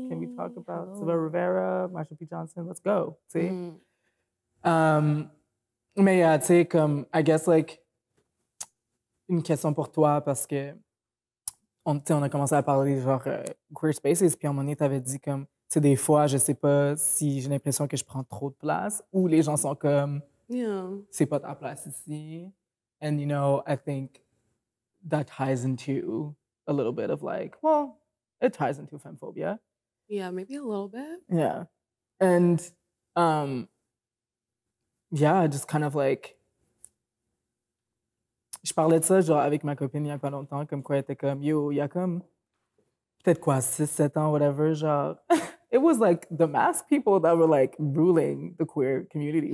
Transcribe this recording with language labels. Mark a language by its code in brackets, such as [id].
[en] Can we talk about Sylvia Rivera, Marsha P. Johnson? Let's go. See? Mm. [fr] Mais, yeah, tu sais, comme, [en] I guess, like, [fr] une question pour toi, parce que, on a commencé à parler genre queer spaces, puis à un moment donné, t'avais dit comme, tu sais, des fois, je sais pas si j'ai l'impression que je prends trop de place, ou les gens sont comme, [en] yeah. [fr] c'est pas ta place ici. [en] And, you know, I think that ties into a little bit of like, well, it ties into femphobia. Yeah, maybe a little bit. Yeah. And, yeah, just kind of like, [fr] je parlais de ça genre avec ma copine il y a pas longtemps, comme quoi elle était comme, yo, il y a comme peut-être quoi 6-7 ans, whatever, genre [en] it was like the mask people that were like ruling the queer community, yeah.